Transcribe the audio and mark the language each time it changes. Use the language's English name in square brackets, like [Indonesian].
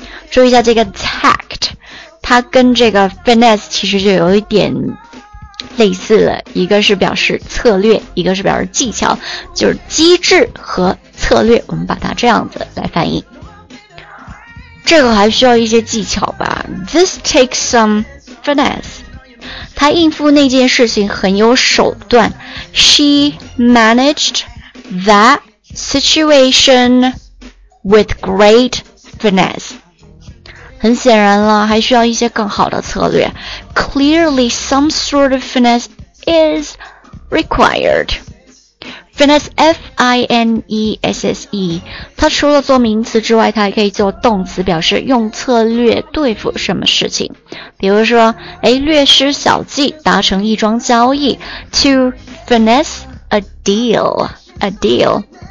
[Chinese] 注意一下这个 tact， 它跟这个 finesse 其实就有一点类似了，一个是表示策略，一个是表示技巧，就是机智和策略，我们把它这样子来翻译。这个还需要一些技巧吧。 [English] This takes some finesse. [Chinese] 她应付那件事情很有手段。 [English] She managed that situation with great finesse. [Chinese] 很显然了，还需要一些更好的策略。 [English] Clearly, some sort of finesse is required. Finesse, F-I-N-E-S-S-E。 [Chinese] 它除了做名词之外，它还可以做动词，表示用策略对付什么事情。比如说，略施小计，达成一桩交易。 [English] To finesse a deal, a deal。